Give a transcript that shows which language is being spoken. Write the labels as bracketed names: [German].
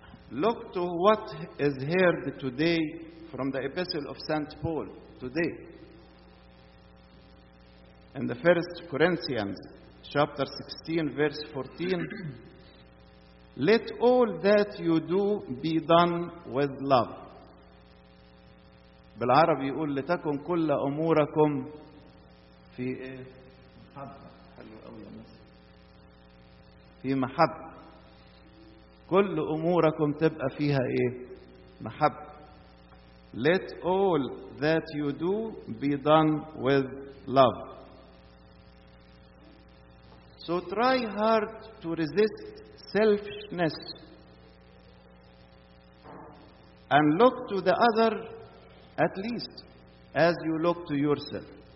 [English] Look to what is heard today from the Epistle of St. Paul today. In the 1 Corinthians chapter 16, verse 14, Let all that you do be done with love. [Arabic] بالعربي يقول لتكن كل أموركم في محبة. حلو قوي يا مصر. في محبة. كل أموركم تبقى فيها إيه؟ محبة. [English] Let all that you do be done with love. So try hard to resist selfishness and look to the other at least as you look to yourself.